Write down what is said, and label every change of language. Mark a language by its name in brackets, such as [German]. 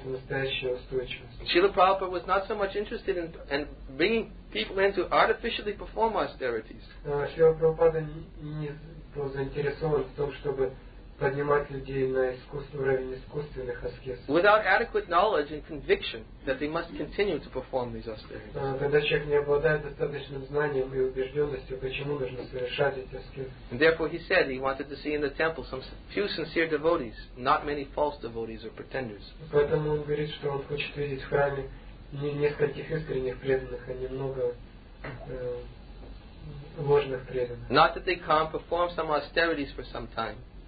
[English] Srila Prabhupada was not so much interested in bringing people in to artificially perform austerities. [Russian] Srila Prabhupada не был заинтересован в том, чтобы поднимать людей на уровень искусственных аскез. [English] Without adequate knowledge and conviction that they must continue to perform these austerities. [Russian] Когда человек не обладает достаточным знанием и убежденностью, почему нужно совершать эти аскезы. [English] And therefore he said he wanted to see in the temple some few sincere devotees, not many false devotees or pretenders. [Russian] Поэтому он говорит, что он хочет видеть в храме не нескольких искренних преданных, а немного ложных преданных. [English] Not that they come perform some austerities for some time.